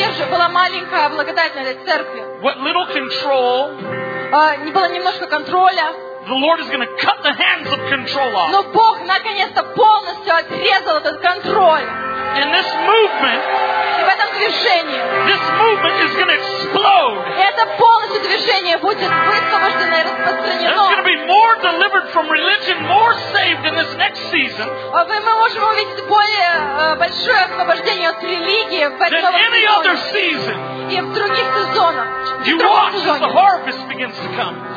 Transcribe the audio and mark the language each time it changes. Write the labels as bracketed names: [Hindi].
[Russian] Была маленькая благодать на этой церкви. [English] What little control? [Russian] Не было немножко контроля. [English] The Lord is going to cut the hands of control off. [Russian] Но Бог наконец-то полностью отрезал этот контроль. [English] And this movement, [Russian] в этом движении, [English] this movement is going to explode. [Russian] Это полностью движение будет высвобождено и распространено. [English] There's going to be more delivered from religion, more saved in this next season. [Russian] Мы можем увидеть более большое освобождение от религии в этом сезоне. [English] Than any other season. [Russian] И в других сезонах. [English] You watch as the harvest begins to come.